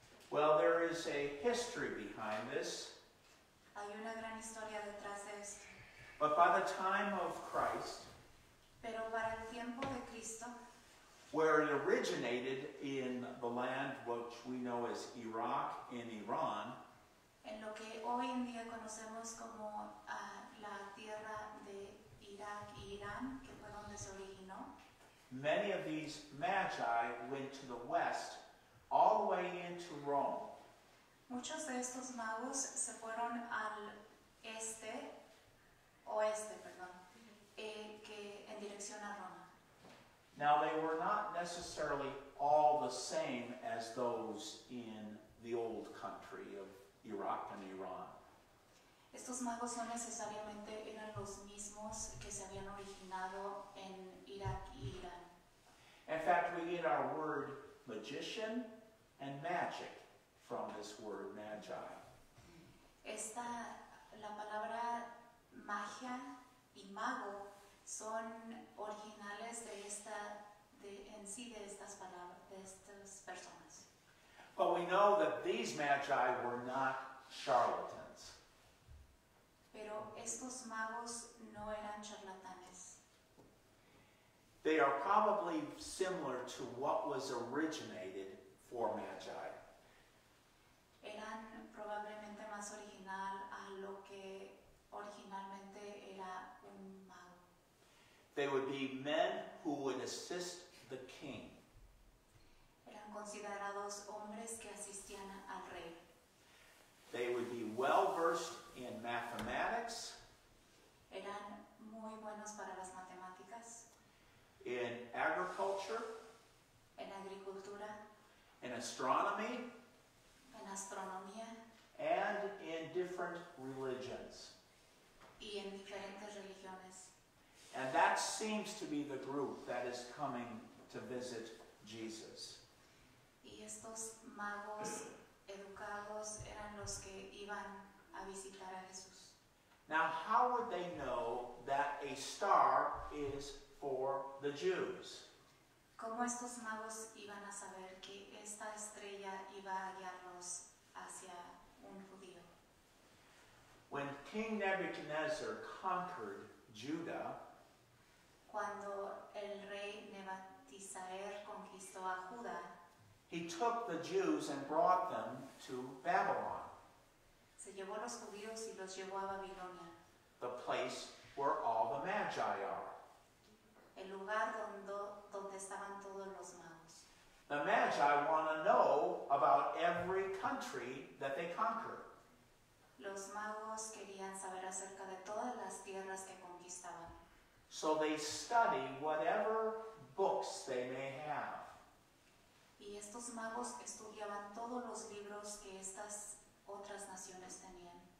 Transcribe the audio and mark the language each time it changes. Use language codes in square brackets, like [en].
[en] Well, there is a history behind this. [es] Hay una gran historia detrás de esto. [en] But by the time of Christ, [es] pero para el tiempo de Cristo, [en] where it originated in the land which we know as Iraq in Iran, [es] en lo que hoy en día conocemos como la tierra de Irak y Irán, que fue donde se originó. [en] Many of these Magi went to the west, all the way into Rome. [es] Muchos de estos magos se fueron al este, oeste, perdón, que en dirección a Roma. [en] Now they were not necessarily all the same as those in the old country of Iraq and Iran. [es] Estos magos no necesariamente eran los mismos que se habían originado en Irak y Irán. [en] In fact, we get our word magician and magic from this word magi. [es] Esta, la palabra magia y mago son originales de esta, de, en sí de estas palabras, de estas personas. [en] But we know that these magi were not charlatans. [es] Pero estos magos no eran charlatanes. [en] They are probably similar to what was originated for Magi. [es] Eran probablemente más original a lo que originalmente era un mago. [en] They would be men who would assist the king. [es] Eran considerados hombres que asistían al rey. [en] They would be well versed in mathematics. [es] Eran muy buenos para las matemáticas. [en] In agriculture, [es] en agricultura, [en] in astronomy, [es] en astronomía, [en] and in different religions. [es] Y en diferentes religiones. [en] And that seems to be the group that is coming to visit Jesus. [es] Y estos magos educados eran los que iban a visitar a Jesús. [en] Now, how would they know that a star is for the Jews? [es] ¿Cómo estos magos iban a saber que esta estrella iba a guiarlos hacia un judío? [en] When King Nebuchadnezzar conquered Judah, [es] cuando el rey Nebuchadnezzar conquistó a Judá, [en] he took the Jews and brought them to Babylon. [es] Se llevó los judíos y los llevó a Babilonia. [en] The place where all the Magi are. [es] El lugar donde estaban todos los magos. [en] The Magi want to know about every country that they conquer. [es] Los magos querían saber acerca de todas las tierras que conquistaban. [en] So they study whatever books they may have. [es] Y estos magos estudiaban todos los libros que estas otras naciones tenían.